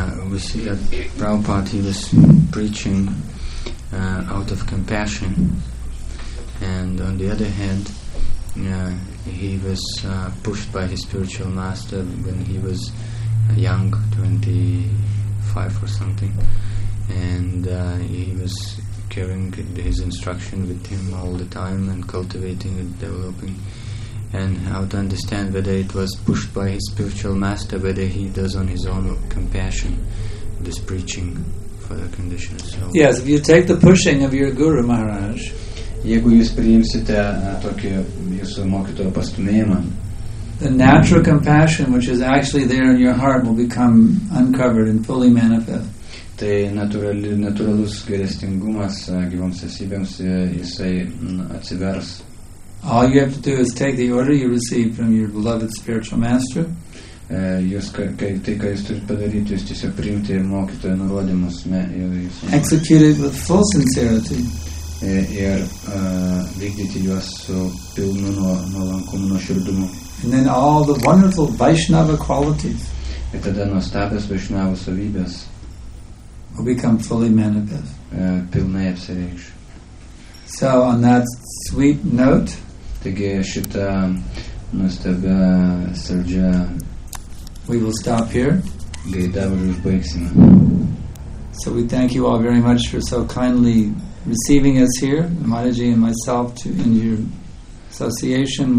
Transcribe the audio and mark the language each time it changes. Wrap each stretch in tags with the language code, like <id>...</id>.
<en>We see that Prabhupada, he was preaching out of compassion, and on the other hand, he was pushed by his spiritual master when he was young, 25 or something, and he was carrying his instruction with him all the time and cultivating and developing. And how to understand whether it was pushed by his spiritual master, whether he does on his own compassion this preaching for the conditioned soul. Yes, if you take the pushing of your Guru Maharaj,</en> <lt>jeigu jūs priimsite tokį jūsų mokytojo pastumėjimą,</lt> <en>the natural compassion which is actually there in your heart will become uncovered and fully manifest.</en> <lt>Tai natūralus gailestingumas gyvoms esybėms, jisai atsivers.</lt> <en>All you have to do is take the order you receive from your beloved spiritual master.</en> <lt>jūs, kai, tai, ką jūs turite padaryti, jūs tiesiog priimti mokytojo nurodymus.</lt> <en>Execute it with full sincerity.</en> <lt>Ir vykdyti juos su pilnu nuolankumu, nuoširdumu.</lt> <en>And then all the wonderful Vaishnava qualities.</en> <lt>Ir tada nuostabios Vaishnava savybės.</lt> <en>Will become fully manifest.</en> <lt>Pilnai apsireikš.</lt> <en>So on that sweet note.</en> <lt>Taigi šita nuostabia saldžia.</lt> <en>We will stop here.</en> <lt>Gaida ir užbaigsime.</lt> <en>So we thank you all very much for so kindly receiving us here, Mataji and myself, to in your association.</en>